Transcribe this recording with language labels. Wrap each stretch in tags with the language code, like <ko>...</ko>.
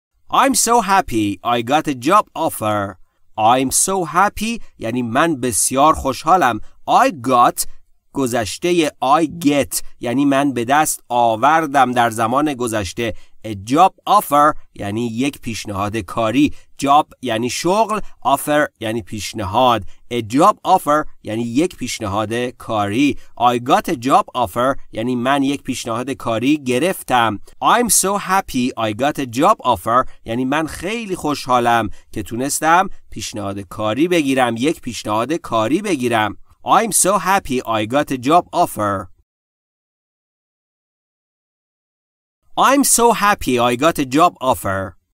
<en>I'm so happy I got a job offer. I'm so happy</en> <fa>یعنی من بسیار خوشحالم.</fa> <en>I got</en> <fa>گذشته</fa> <en>I get</en> <fa>یعنی من به دست آوردم در زمان گذشته.</fa> <en>A job offer</en> <fa>یعنی یک پیشنهاد کاری. Job یعنی شغل. Offer یعنی پیشنهاد.</fa> <en>A job offer</en> <fa>یعنی یک پیشنهاد کاری.</fa> <en>I got a job offer</en> <fa>یعنی من یک پیشنهاد کاری گرفتم.</fa> <en>I'm so happy I got a job offer</en> <fa>یعنی من خیلی خوشحالم که تونستم پیشنهاد کاری بگیرم، یک پیشنهاد کاری بگیرم.</fa> <en>I'm so happy I got a job offer. I'm so happy I got a job offer.</en>